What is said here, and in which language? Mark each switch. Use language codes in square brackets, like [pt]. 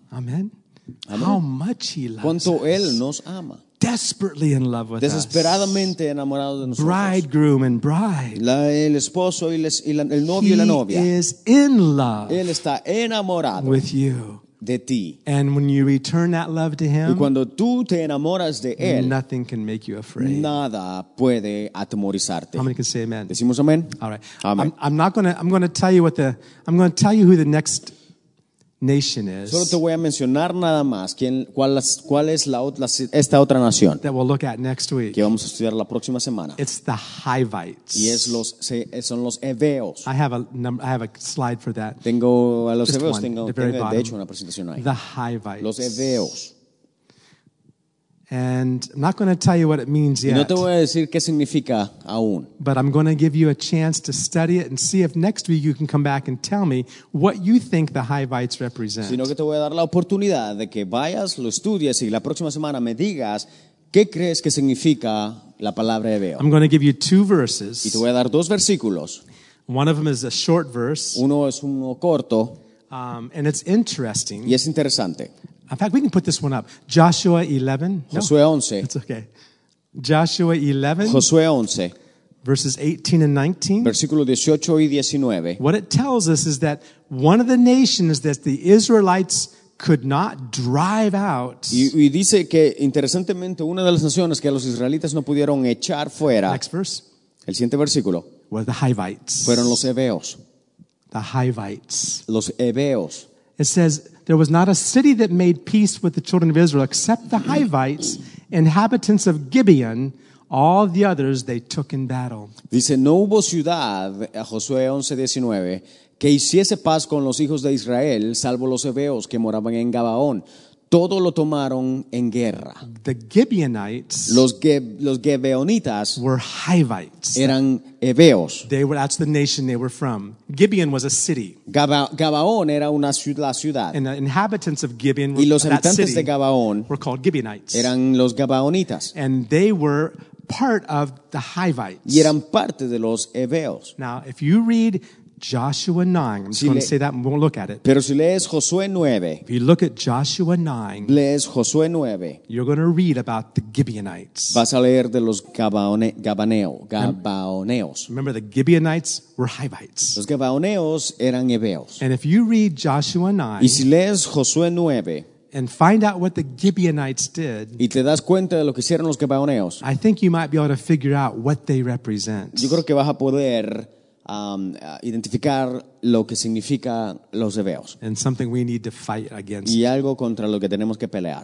[en] Amen. How much he loves [es] cuánto [en] us. [es] Él nos ama. [en] Desperately in love with [es] desesperadamente [en] us. [es] Enamorado de nosotros. [en] Bridegroom and bride. [es] La, el esposo y les, y la, el novio [en] he [es] y la novia. [en] He is in love. [es] Él está enamorado [en] with you. [es] De ti. [en] And when you return that love to him, [es] y cuando tú te enamoras de él, [en] nothing can make you afraid. [es] Nada puede atemorizarte. [en] How many can say amen? [es] Decimos amén. [en] All right. I'm going to tell you who the next nation is. [es] Solo te voy a mencionar nada más cuál es esta otra nación. [en] That we'll look at next week. [es] Que vamos a estudiar la próxima semana. [en] It's the Hivites. [es] Y son los Heveos. [en] I have a slide for that. [es] Tengo a los Heveos, tengo de hecho una presentación ahí. [en] The Hivites. [es] Los Heveos. [en] And I'm not going to tell you what it means yet. [es] Y no te voy a decir qué significa aún. [en] But I'm going to give you a chance to study it and see if next week you can come back and tell me what you think the hivites represent. [es] Sino que te voy a dar la oportunidad de que vayas, lo estudies y la próxima semana me digas qué crees que significa la palabra hebeo. [en] I'm going to give you two verses. [es] Y te voy a dar dos versículos. [en] One of them is a short verse. [es] Uno es uno corto. [en] And it's interesting. [es] Y es interesante. [en] In fact, we can put this one up. Joshua 11. [es] No? Josué 11. [en] It's okay. Joshua 11. [es] Josué 11. [en] Verses 18 and 19. [es] Versículo 18 y 19. [en] What it tells us is that one of the nations that the Israelites could not drive out. [es] Y dice que, interesantemente, una de las naciones que los israelitas no pudieron echar fuera. [en] Next verse. [es] El siguiente versículo. [en] Were the Hivites. [es] Fueron los hebeos. [en] The Hivites. [es] Los hebeos. [en] It says, there was not a city that made peace with the children of Israel except the Hivites, inhabitants of Gibeon. All the others they took in battle. [es] Dice, no hubo ciudad, a Josué 11:19, que hiciese paz con los hijos de Israel, salvo los hebeos que moraban en Gabaón. Todo lo tomaron en guerra. [en] The Gibeonites, [es] los Gibeonitas, [en] were Hivites. [es] Eran hebeos. [en] They were, that's the nation they were from. Gibeon was a city. [es] Gabaón era una ciudad, la ciudad. [en] And the inhabitants of Gibeon, [es] y los habitantes de Gabaón, [en] were called Gibeonites. [es] Eran los Gabaonitas. [en] And they were part of the Hivites. [es] Y eran parte de los hebeos. [en] Now, if you read Joshua 9, I'm just going to say that and we'll look at it. [es] Pero si lees Josué 9, [en] if you look at Joshua 9, [es] lees Josué 9, [en] you're going to read about the Gibeonites. [es] Vas a leer de los Gabaoneos. [en] Remember, the Gibeonites were Hivites. [es] Los Gabaoneos eran hebeos. [en] And if you read Joshua 9, [es] y si lees Josué 9, [en] and find out what the Gibeonites did, [es] y te das cuenta de lo que hicieron los Gabaoneos, [en] I think you might be able to figure out what they represent. [es] Yo creo que vas a poder identificar lo que significa los hebeos. [en] And something we need to fight against. [es] Y algo contra lo que tenemos que pelear.